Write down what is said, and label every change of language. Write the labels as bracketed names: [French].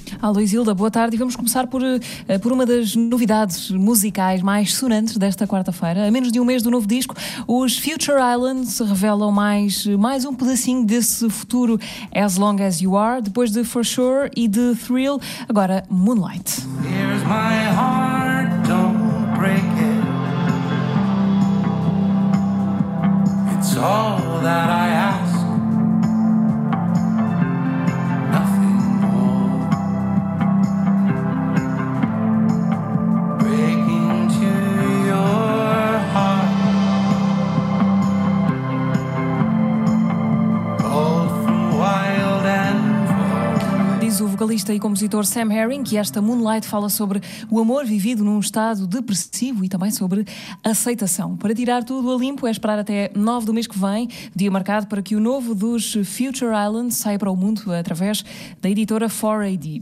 [Portuguese] Luísilda, boa tarde. E vamos começar por uma das novidades musicais mais sonantes desta quarta-feira. A menos de um mês do novo disco, os Future Islands revelam mais um pedacinho desse futuro As Long As You Are, depois de For Sure e de Thrill, agora Moonlight. [English] Here's my heart, don't break it. It's all that I ask, nothing more. Break into your heart, both wild and far. [Portuguese] Diz o vocalista e compositor Sam Herring que esta Moonlight fala sobre o amor vivido num estado depressivo e também sobre aceitação. Para tirar tudo a limpo é esperar até 9 do mês que vem, dia marcado para que o novo dos Future Islands saia para o mundo através da editora 4AD.